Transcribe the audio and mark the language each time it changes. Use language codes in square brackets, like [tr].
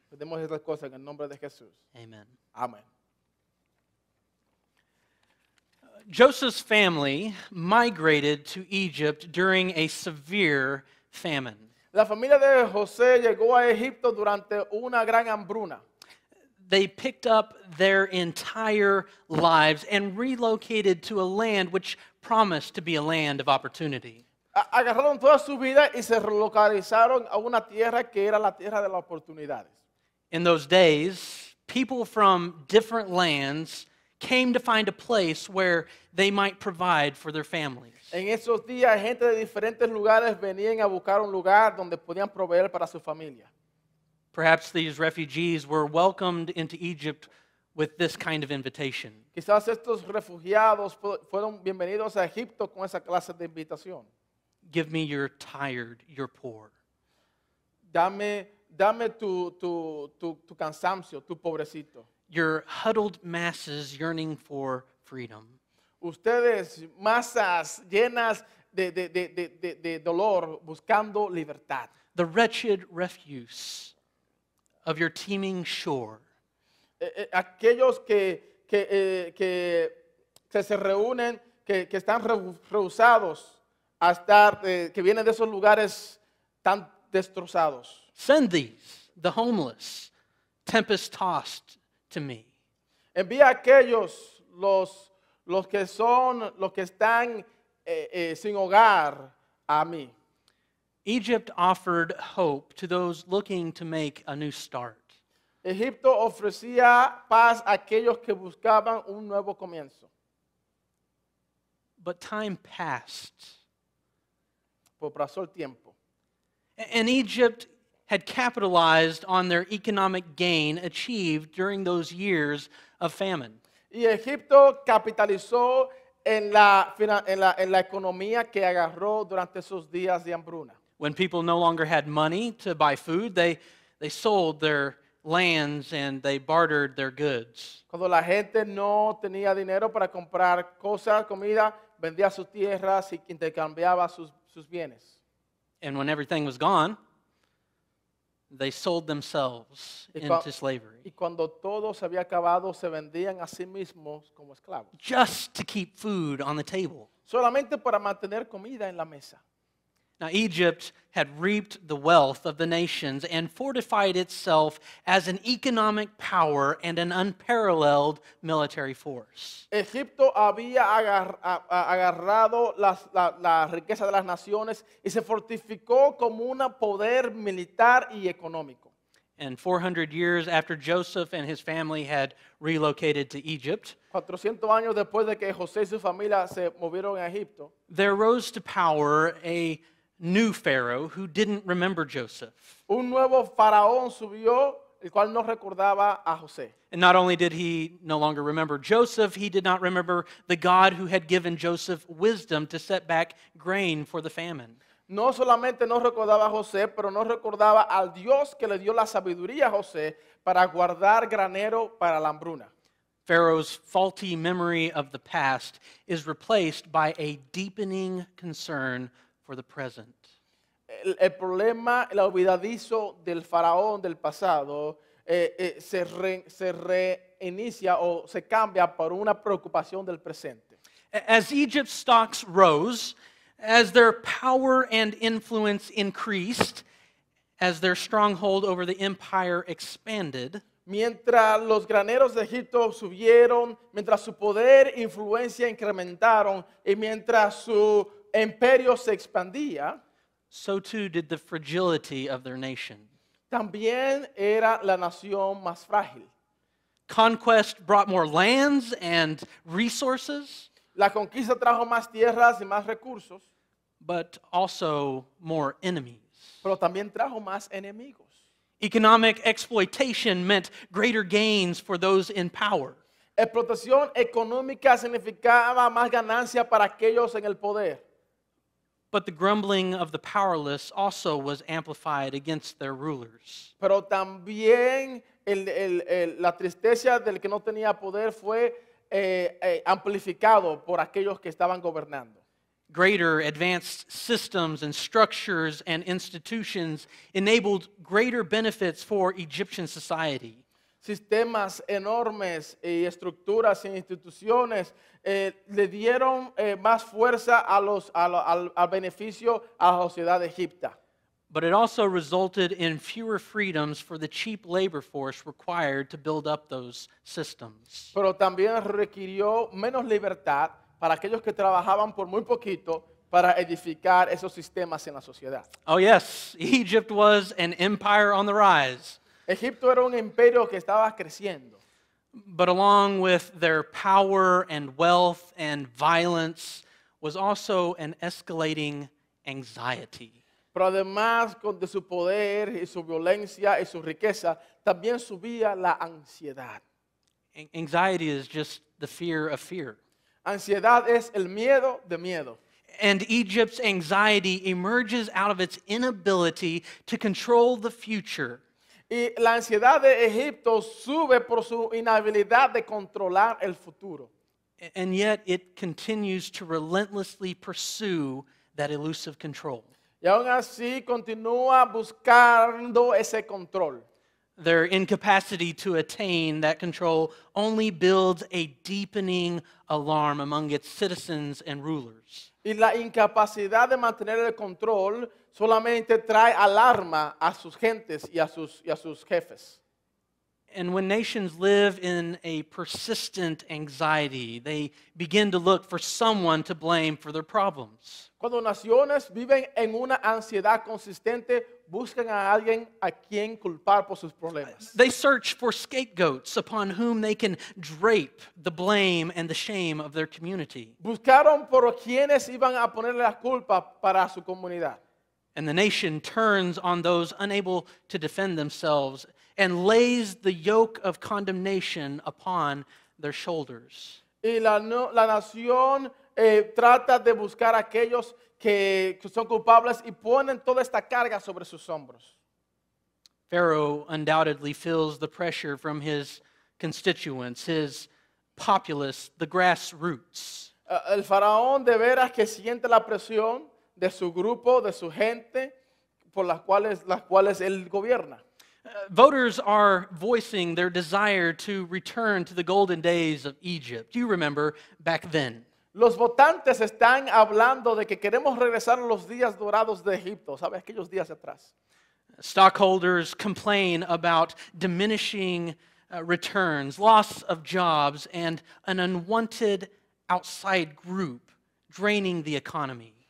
[es] Pedimos estas cosas en el nombre de Jesús. Amen. Amen. [en] Joseph's family migrated to Egypt during a severe famine. [es] La familia de José llegó a Egipto durante una gran hambruna. [en] They picked up their entire lives and relocated to a land which promised to be a land of opportunity. [es] Agarraron toda su vida y se relocalizaron a una tierra que era la tierra de las oportunidades. [en] In those days, people from different lands came to find a place where they might provide for their families. [es] En esos días, gente de diferentes lugares venían a buscar un lugar donde podían proveer para su familia. [en] Perhaps these refugees were welcomed into Egypt with this kind of invitation. [es] Quizás estos refugiados fueron bienvenidos a Egipto con esa clase de invitación. [en] Give me your tired, your poor. [es] Dame tu cansancio, tu pobrecito. [en] Your huddled masses yearning for freedom. [es] Ustedes, masas llenas de dolor, buscando libertad. [en] The wretched refuse of your teeming shore. [es] Aquellos que se reúnen, que están rehusados a estar, que vienen de esos lugares tan destrozados. [en] Send these, the homeless, tempest-tossed to me. [es] Envía aquellos, los que son, los que están sin hogar, a mí. [en] Egypt offered hope to those looking to make a new start. [es] Egipto ofrecía paz a aquellos que buscaban un nuevo comienzo. [en] But time passed. [es] Pero pasó el tiempo. [en] And Egypt had capitalized on their economic gain achieved during those years of famine. [es] Y Egipto capitalizó en la economía que agarró durante esos días de hambruna. [en] When people no longer had money to buy food, they sold their lands and they bartered their goods. [es] Cuando la gente no tenía dinero para comprar cosas, comida, vendía sus tierras y intercambiaba sus bienes. [en] And when everything was gone, they sold themselves into slavery. [es] Y cuando todo se había acabado, se vendían a sí mismos como esclavos. [en] Just to keep food on the table. [es] Solamente para mantener comida en la mesa. [en] Now Egypt had reaped the wealth of the nations and fortified itself as an economic power and an unparalleled military force. [es] Egipto había agarrado la riqueza de las naciones y se fortificó como un poder militar y económico. [en] And 400 years after Joseph and his family had relocated to Egypt, [es] 400 años después de que José y su familia se movieron a Egipto, [en] there rose to power a new pharaoh who didn't remember Joseph. [es] Un nuevo faraón subió, el cual no recordaba a José. [en] And not only did he no longer remember Joseph, he did not remember the God who had given Joseph wisdom to set back grain for the famine. [es] No solamente no recordaba a José, pero no recordaba al Dios que le dio la sabiduría a José para guardar granero para la hambruna. [en] Pharaoh's faulty memory of the past is replaced by a deepening concern for the present. [es] El problema, el olvidadizo del faraón del pasado se reinicia o se cambia por una preocupación del presente. [en] As Egypt's stocks rose, as their power and influence increased, as their stronghold over the empire expanded, [es] mientras los graneros de Egipto subieron, mientras su poder e influencia incrementaron, y mientras su imperio se expandía, [en] so too did the fragility of their nation. [es] También era la nación más frágil. [en] Conquest brought more lands and resources. [es] La conquista trajo más tierras y más recursos. [en] But also more enemies. [es] Pero también trajo más enemigos. [en] Economic exploitation meant greater gains for those in power. [es] Explotación económica significaba más ganancia para aquellos en el poder. [en] But the grumbling of the powerless also was amplified against their rulers. [es] Pero también la tristeza del que no tenía poder fue amplificado por aquellos que estaban gobernando. [en] Greater advanced systems and structures and institutions enabled greater benefits for Egyptian society. [es] Sistemas enormes y estructuras e instituciones le dieron más fuerza a los al beneficio a la sociedad de Egipto. [en] But it also resulted in fewer freedoms for the cheap labor force required to build up those systems. [es] Pero también requirió menos libertad para aquellos que trabajaban por muy poquito para edificar esos sistemas en la sociedad. [en] Oh yes, Egypt was an empire on the rise. [es] Egipto era un imperio que estaba creciendo. [en] But along with their power and wealth and violence was also an escalating anxiety. [es] Pero además de su poder y su violencia y su riqueza, también subía la ansiedad. [en] Anxiety is just the fear of fear. [es] Ansiedad es el miedo de miedo. [en] And Egypt's anxiety emerges out of its inability to control the future. [es] Y la ansiedad de Egipto sube por su inhabilidad de controlar el futuro. [en] And yet it continues to relentlessly pursue that elusive control. [es] Y aún así continúa buscando ese control. [en] Their incapacity to attain that control only builds a deepening alarm among its citizens and rulers. [es] Y la incapacidad de mantener el control solamente trae alarma a sus gentes y a sus jefes. [en] And when nations live in a persistent anxiety, they begin to look for someone to blame for their problems. [es] Cuando naciones viven en una ansiedad consistente, buscan a alguien a quien culpar por sus problemas. [en] They search for scapegoats upon whom they can drape the blame and the shame of their community. [es] Buscaron por quienes iban a ponerle la culpa para su comunidad. [en] And the nation turns on those unable to defend themselves and lays the yoke of condemnation upon their shoulders. [es] Y la nación trata de buscar aquellos que son culpables y ponen toda esta carga sobre sus hombros. [en] Pharaoh undoubtedly feels the pressure from his constituents, his populace, the grassroots. [es] El faraón de veras que siente la presión de su grupo, de su gente, por las cuales él gobierna. [en] Voters are voicing their desire to return to the golden days of Egypt. Do you remember back then? [es] Los votantes están hablando de que queremos regresar a los días dorados de Egipto, ¿sabes? Aquellos días atrás. [en] Stockholders complain about diminishing returns, loss of jobs, and an unwanted outside group draining the economy.